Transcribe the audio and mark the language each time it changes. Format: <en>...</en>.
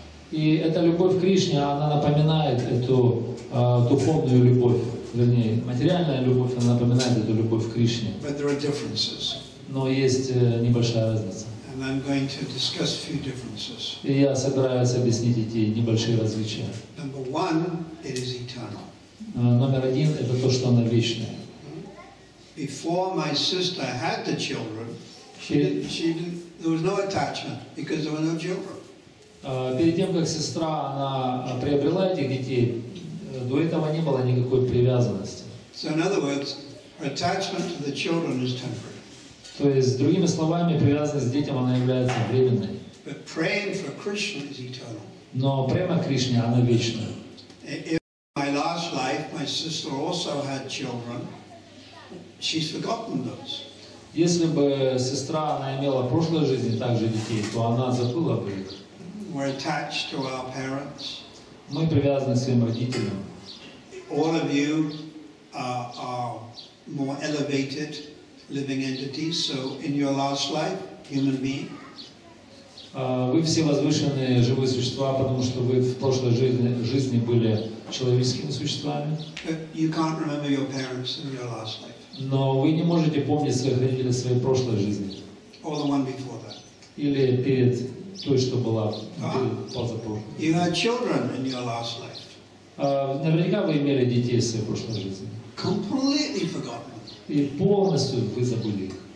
<ru>И эта любовь к Кришне, она напоминает эту духовную любовь. Вернее, материальная любовь, она напоминает эту любовь к Кришне.</ru> <en>But there are differences.</en> <ru>Но есть небольшая разница.</ru> <en>And I'm going to discuss a few differences.</en> <ru>И я собираюсь объяснить эти небольшие различия.</ru> <en>Number one, it is eternal.</en> <ru>Номер один – это то, что она вечная.</ru> <en>Before my sister had the children, there was no attachment, because there were no children.</en> <ru>Перед тем, как сестра она приобрела этих детей, до этого не было никакой привязанности.</ru> <en>So in other words, attachment to the children is temporary.</en> <ru>То есть, другими словами, привязанность к детям она является временной.</ru> <en>But praying for Krishna is eternal.</en> <ru>Но према Кришне она вечная.</ru> <en>In my last life, my sister also had children. She's forgotten those.</en> <ru>Если бы сестра она имела в прошлой жизни также детей, то она забыла бы их.</ru> <en>We're attached to our parents.</en> <ru>Мы привязаны к своим родителям.</ru> <en>All of you are more elevated living entities, so in your last life, human being.</en> <ru>Вы все возвышенные живые существа, потому что вы в прошлой жизни были человеческими существами.</ru> <en>But you can't remember your parents in your last life.</en> <ru>Но вы не можете помнить своих родителей в своей прошлой жизни.</ru> <en>Or the one before that.</en> <ru>Или перед той, что была позапрошлой.</ru> <en>You had children in your last life.</en> <ru>Наверняка вы имели детей в своей прошлой жизни.</ru> <en>Completely forgotten.</en> <ru>И полностью вы забыли их.</ru>